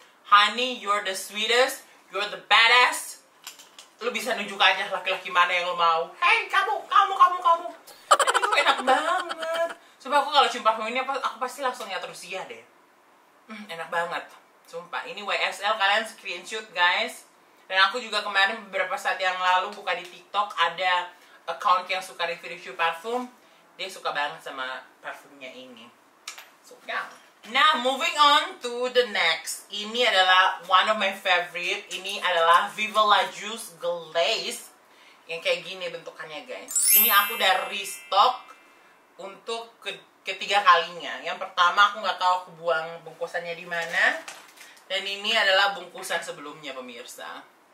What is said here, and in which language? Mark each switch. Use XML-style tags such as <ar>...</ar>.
<en>Honey, you're the sweetest, you're the baddest.</en> <id>Lu bisa nunjuk aja laki-laki mana yang lu mau. Hey, kamu. Ini tuh enak banget. Sumpah, aku kalau cium parfum ini, aku pasti langsung nyatur sia deh. Enak banget. Sumpah, ini YSL, kalian screenshot guys. Dan aku juga kemarin beberapa saat yang lalu buka di TikTok, ada account yang suka review parfum. Dia suka banget sama parfumnya ini. Suka.</id> <en>Nah, moving on to the next.</en> <id>Ini adalah</id> <en>one of my favorite.</en> <id>Ini adalah Viva La Juice Glaze. Yang kayak gini bentukannya guys. Ini aku udah restock untuk ketiga kalinya. Yang pertama aku gak tahu aku buang bungkusannya di mana. Dan ini adalah bungkusan sebelumnya, pemirsa.</id>